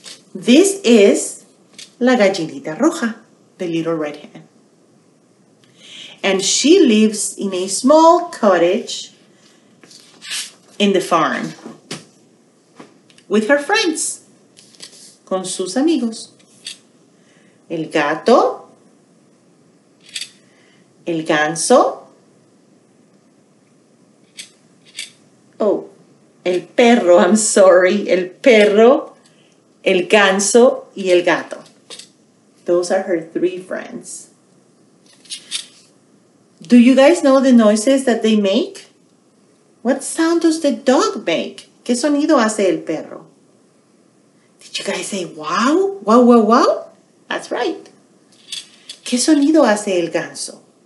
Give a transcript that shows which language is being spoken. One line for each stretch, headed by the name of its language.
English: This is la gallinita roja, the little red hen. And she lives in a small cottage in the farm with her friends,
Spanish: con sus amigos. El gato, el ganso, el perro, el ganso y el gato.
English: Those are her three friends. Do you guys know the noises that they make? What sound does the dog make?
Spanish: ¿Qué sonido hace el perro?
English: Did you guys say wow? Wow, wow, wow? That's right.
Spanish: ¿Qué sonido hace el ganso?